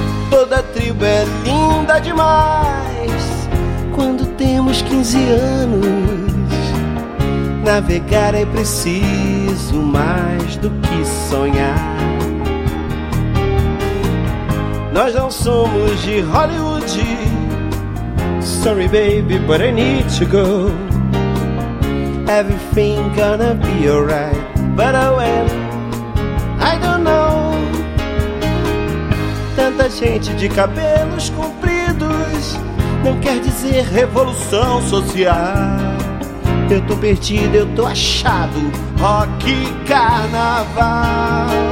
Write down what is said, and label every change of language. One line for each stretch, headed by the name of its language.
Portuguese: Toda tribo é linda demais quando temos 15 anos. Navegar é preciso mais do que sonhar. Nós não somos de Hollywood.
English: Sorry, baby, but I need to go. Everything gonna be alright, but when I don't know.
Portuguese: Tanta gente de cabelos compridos não quer dizer revolução social. Eu tô perdido, eu tô achado. Rock carnaval.